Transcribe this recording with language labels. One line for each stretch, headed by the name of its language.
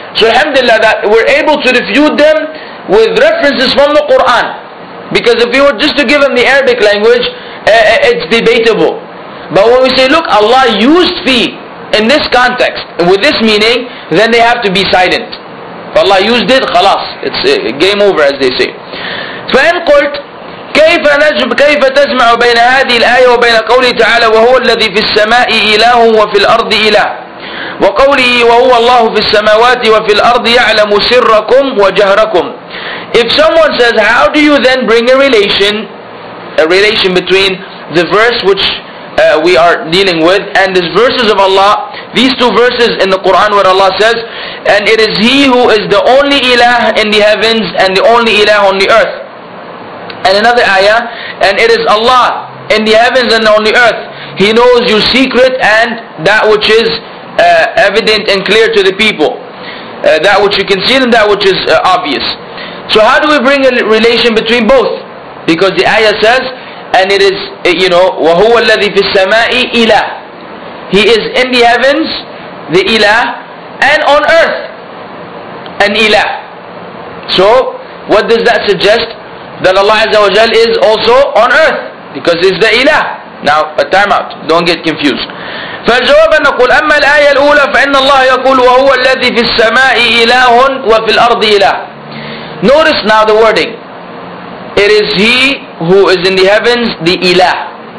English: So alhamdulillah that we're able to refute them with references from the Quran. Because if we were just to give them the Arabic language, it's debatable. But when we say, look, Allah used fi in this context with this meaning, then they have to be silent. If Allah used it, خلاص. It's game over, as they say.
Arabic: فإن قلت كيف نجم كيف تجمع بين هذه الآية وبين قوله تعالى وهو الذي في السماء إله وفي الأرض إله وقوله وهو الله في السماوات وفي الأرض يعلم سركم وجهركم.
English: If someone says, how do you then bring a relation between the verse which we are dealing with and these verses of Allah, these two verses in the Quran where Allah says, and it is He who is the only إله in the heavens and the only إله on the earth. And another ayah, and it is Allah in the heavens and on the earth. He knows your secret and that which is evident and clear to the people. That which you can see and that which is obvious. So how do we bring a relation between both? Because the ayah says, and it is, you know,
Arabic: وَهُوَ الَّذِي فِي السَّمَاءِ إِلَهِ.
English: He is in the heavens, the ilah, and on earth, an ilah. So what does that suggest? That Allah Azza wa Jal is also on earth because it's the ilah. Now a time out, don't get confused.
Arabic: فالجواب أن نقول أما الآية الأولى فإن الله يقول وهو الذي في السماء إله وفي الأرض إله.
English: Notice now the wording. It is He who is in the heavens, the ilah.